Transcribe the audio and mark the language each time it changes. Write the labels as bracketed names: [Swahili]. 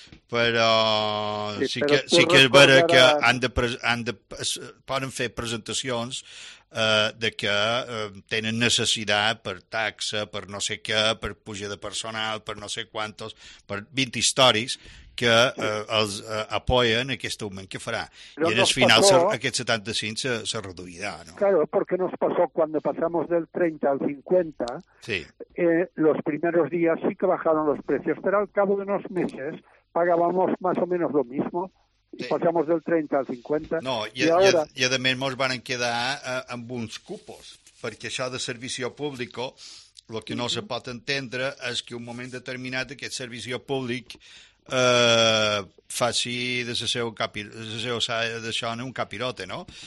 [Catalan] Però sí que és vera que poden fer presentacions de que tenen necessitat per taxa, per no sé què, per puja de personal, per no sé quantos, per 20 històries que els apoyen aquest augment que farà. Però i en el final aquest 75 se reduirà. No? [Spanish] Claro, porque nos pasó cuando pasamos del 30 al 50, sí. Los primeros días sí que bajaron los precios, pero al cabo de unos meses pagábamos más o menos lo mismo [Catalan] i passamos del 30 al 50. No, i a més ens van quedar amb uns cupos, perquè això de servici públic, el que no se pot entendre és que un moment determinat aquest servici públic faci de la seva capirota, un capirote, no?